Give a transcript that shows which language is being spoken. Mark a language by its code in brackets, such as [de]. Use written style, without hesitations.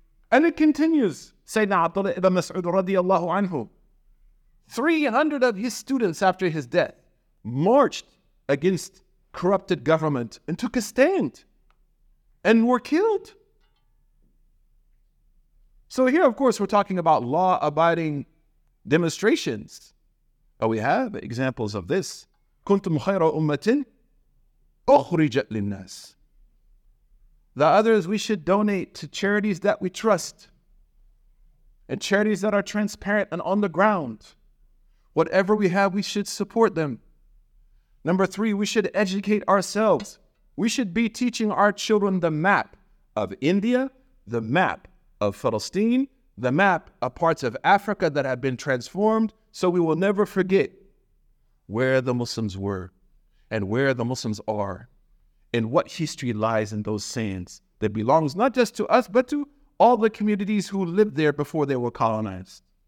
[en] And it continues. Sayyidina Abdullah ibn Mas'ud radiallahu anhu, 300 of his students after his death marched against corrupted government and took a stand and were killed. So here, of course, we're talking about law-abiding demonstrations. But we have examples of this. [ar] كنتم خير أمتين أخرجت للناس. [en] The others we should donate to charities that we trust and charities that are transparent and on the ground. Whatever we have, we should support them. Number three, we should educate ourselves. We should be teaching our children the map of India, the map of Palestine, the map of parts of Africa that have been transformed, so we will never forget where the Muslims were and where the Muslims are and what history lies in those sands that belongs not just to us, but to all the communities who lived there before they were colonized.